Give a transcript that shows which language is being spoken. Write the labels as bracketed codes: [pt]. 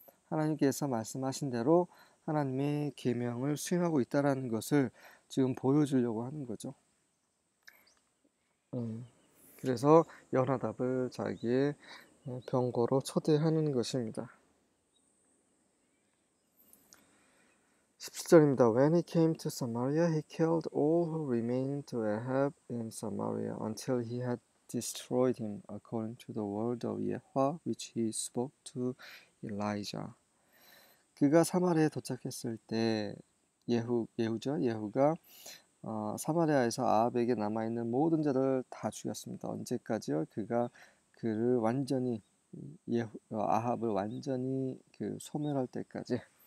[ko] 하나님께서 말씀하신 대로 하나님의 계명을 수행하고 있다라는 것을 지금 보여주려고 하는 거죠. 그래서 여호나답을 자기의 병거로 초대하는 것입니다. 17절입니다. [en] When he came to Samaria, he killed all who remained to Ahab in Samaria until he had destroyed him according to the word of Yehovah which he spoke to Elijah. [ko] 그가 사마리아에 도착했을 때 예후죠. 예후가 사마리아에서 아합에게 남아 있는 모든 자들을 다 죽였습니다. 언제까지요? 그가 그를 완전히 아합을 완전히 그 소멸할 때까지.